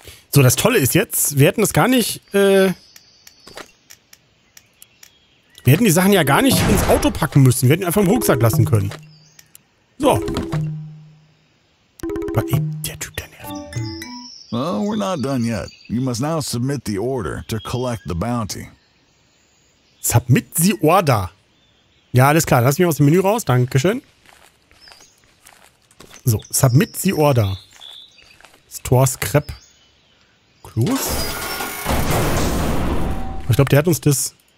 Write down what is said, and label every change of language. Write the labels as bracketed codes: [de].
[de] So, das Tolle ist jetzt, wir hätten das gar nicht, wir hätten die Sachen ja gar nicht ins Auto packen müssen. Wir hätten einfach im Rucksack lassen können. So. War eben der Typ der nervt. [en] Well, we're not done yet. You must now submit the order to collect the bounty. Submit the order. [de] Ja, alles klar. Lass mich aus dem Menü raus. Dankeschön. [en] So, submit the order. Store Scrap. Clues. [de] Ich glaube, der hat uns das.